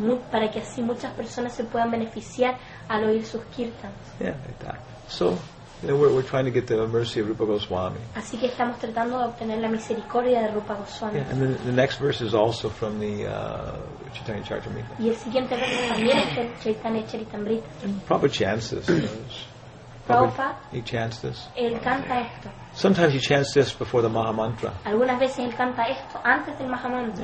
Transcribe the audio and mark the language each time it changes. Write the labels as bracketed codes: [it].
[es] Para que así muchas personas se puedan beneficiar al oír sus kirtans. [en] Yeah, like that. So. And we're trying to get the mercy of Rupa Goswami. [es] Así que estamos tratando de obtener la misericordia de Rupa Goswami. [en] Yeah, and the next verse is also from the Chaitanya Charitamrita. [es] Y el siguiente verso también es de Chaitanya Charitamrita. [en] Prabhupada chants this. [es] Prabhupada. [en] He chants this. [es] Él canta esto. [en] Sometimes he chants this before the Maha Mantra. [es] Algunas veces él canta esto antes del Maha Mantra.